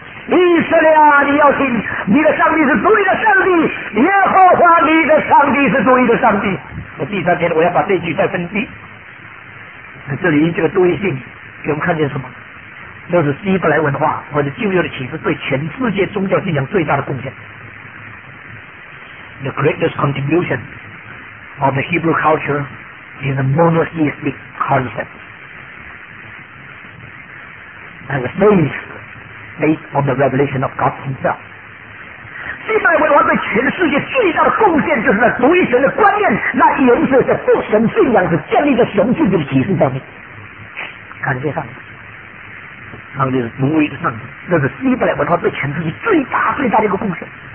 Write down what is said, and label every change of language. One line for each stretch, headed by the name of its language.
Chinese: 以色列啊，你要听，你的上帝是独一的上帝，耶和华你的上帝是独一的上帝。那第三天我要把这句再分析。那这里这个独一性给我们看见什么，这是希伯来文化或者旧约的启示对全世界宗教信仰最大的贡献。
English: The greatest contribution of the Hebrew culture is a monotheistic concept and a faithBased on the revelation of God himself.
Chinese: 希伯来文化对全世界最大的贡献就是那独一神的观念，那源自的不神信仰是建立在神自己的启示上面。感谢上帝，上帝是独一的上帝，这是希伯来文化对全世界最大最大的一个贡献。